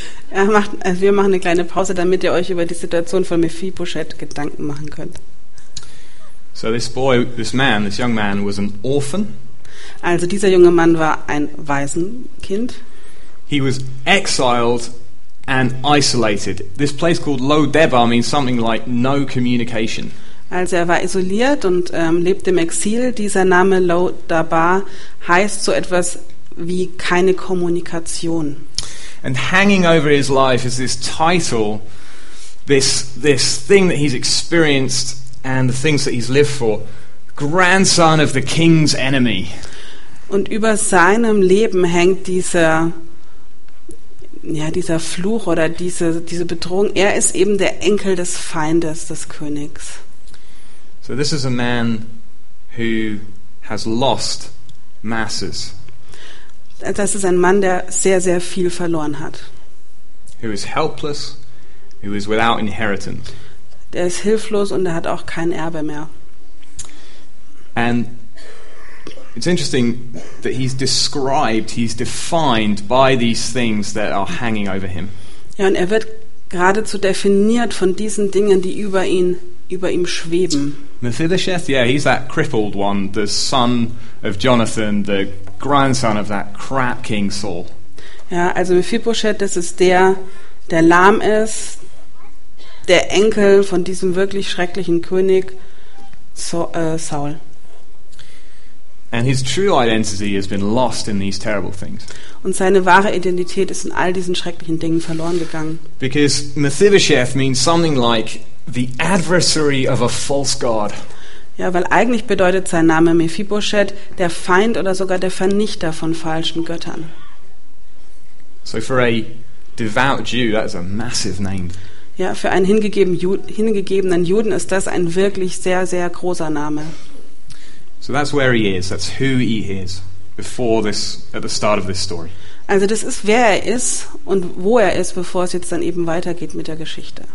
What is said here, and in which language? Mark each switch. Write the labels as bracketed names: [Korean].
[German] Er macht, also wir machen eine kleine Pause, damit ihr euch über die Situation von Mephibosheth Gedanken machen könnt. [English] So this boy, this man, this young man was an orphan. [German] Also dieser junge Mann war ein Waisenkind. [English] He was exiled and isolated. This place called Lo Debar means something like no communication. [German] Also er war isoliert und lebte im Exil. Dieser Name Lo Debar heißt so etwas wie keine Kommunikation. [English] And hanging over his life is this title, this thing that he's experienced and the things that he's lived for, grandson of the king's enemy. [German] Und über seinem Leben hängt dieser, ja, dieser Fluch oder diese Bedrohung. Er ist eben der Enkel des Feindes, des Königs. [English] So this is a man who has lost masses. [German] Das ist ein Mann, der sehr, sehr viel verloren hat. [English] who is helpless, who is without inheritance. [German] Der ist hilflos und er hat auch kein Erbe mehr. [English] And it's interesting that he's described, he's defined by these things that are hanging over him. [German] Ja, und er wird geradezu definiert von diesen Dingen, die über ihm schweben. [English] Mephibosheth, yeah, he's that crippled one, the son of Jonathan, the grandson of that crap King Saul. [German] Ja, also Mephibosheth, das ist der lahm ist, der Enkel von diesem wirklich schrecklichen König Saul. [English] And his true identity has been lost in these terrible things. [German] Und seine wahre Identität ist in all diesen schrecklichen Dingen verloren gegangen. [English] Because Mephibosheth means something like the adversary of a false god. [German] Ja, weil eigentlich bedeutet sein Name Mephibosheth der Feind oder sogar der Vernichter von falschen Göttern. [English] So for a devout Jew, that is a massive name. [German] Ja, für einen hingegebenen Juden ist das ein wirklich sehr, sehr großer Name. [English] So that's where he is, that's who he is before this, at the start of this story. [German] Also das ist, wer er ist und wo er ist, bevor es jetzt dann eben weitergeht mit der Geschichte.